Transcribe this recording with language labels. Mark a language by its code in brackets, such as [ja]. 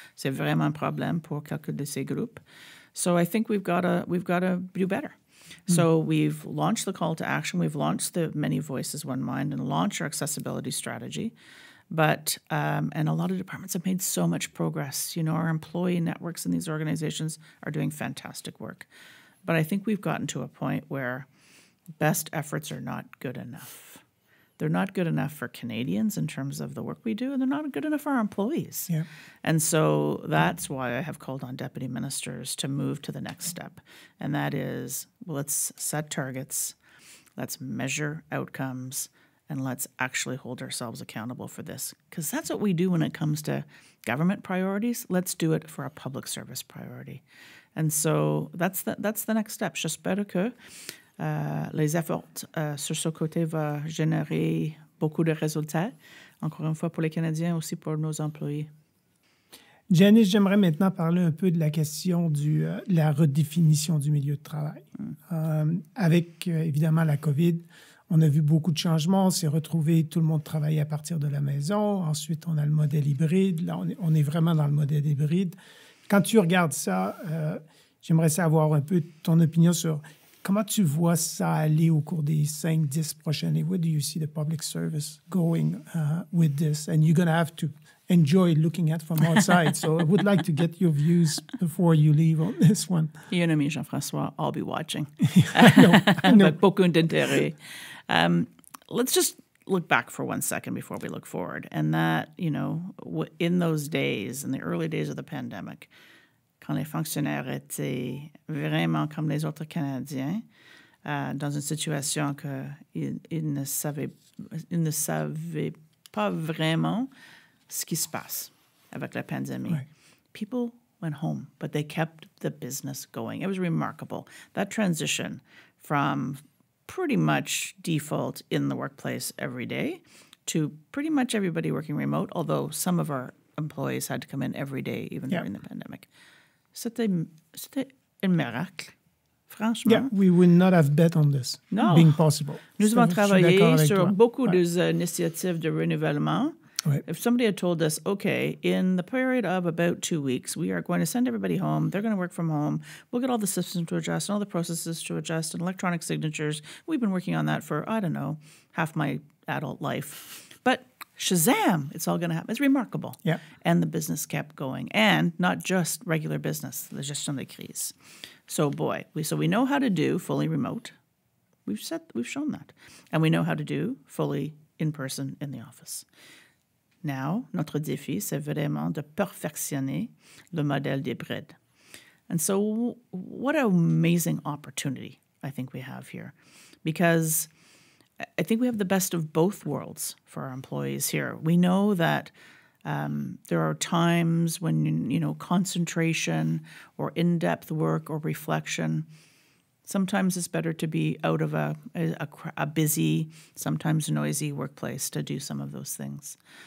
[fr] C'est vraiment un problème pour quelques de ces groupes. [en] So I think we've got to do better. So we've launched the call to action. We've launched the Many Voices, One Mind and launched our accessibility strategy. But and a lot of departments have made so much progress. You know, our employee networks in these organizations are doing fantastic work. But I think we've gotten to a point where best efforts are not good enough. They're not good enough for Canadians in terms of the work we do, and they're not good enough for our employees. Yeah. And so that's why I have called on deputy ministers to move to the next step. And that is, well, let's set targets, let's measure outcomes, and let's actually hold ourselves accountable for this. Because that's what we do when it comes to government priorities. Let's do it for a public service priority. And so that's the next step. [fr] J'espère que les efforts sur ce côté vont générer beaucoup de résultats, encore une fois pour les Canadiens, aussi pour nos employés. Janice, j'aimerais maintenant parler un peu de la question de la redéfinition du milieu de travail. Avec, évidemment, la COVID, on a vu beaucoup de changements. On s'est retrouvé, tout le monde travaille à partir de la maison. Ensuite, on a le modèle hybride. Là, on est vraiment dans le modèle hybride. Quand tu regardes ça, j'aimerais savoir un peu ton opinion sur comment tu vois ça aller au cours des 5-10 prochaines années. [en] Where do you see the public service going with this? And you're going to have to enjoy looking at from outside. So I would like to get your views before you leave on this one. You know me, Jean-François, I'll be watching. I know. [fr] Avec beaucoup d'intérêt. [en] Let's just look back for one second before we look forward. And that, you know, in those days, in the early days of the pandemic, [fr] quand les fonctionnaires étaient vraiment comme les autres Canadiens, dans une situation qu'ils ne savaient pas vraiment ce qui se passe avec la pandémie. [en] Right. People went home, but they kept the business going. It was remarkable. That transition from pretty much default in the workplace every day to pretty much everybody working remote, although some of our employees had to come in every day, even during the pandemic. [fr] C'était un miracle, franchement. [en] Yeah, we would not have bet on this being possible. [fr] Nous avons travaillé sur beaucoup d'initiatives de renouvellement. [en] Right. If somebody had told us, okay, in the period of about 2 weeks, we are going to send everybody home, they're going to work from home, we'll get all the systems to adjust and all the processes to adjust and electronic signatures. We've been working on that for, I don't know, half my adult life. But shazam, it's all going to happen. It's remarkable. Yeah. And the business kept going. And not just regular business, [fr] la gestion de crise. [en] So boy, we know how to do fully remote. We've shown that. And we know how to do fully in person in the office. [fr] Now, notre défi, c'est vraiment de perfectionner le modèle d'hybride. [en] And so what an amazing opportunity I think we have here. Because I think we have the best of both worlds for our employees here. We know that there are times when, you know, concentration or in-depth work or reflection, sometimes it's better to be out of a busy, sometimes noisy workplace to do some of those things.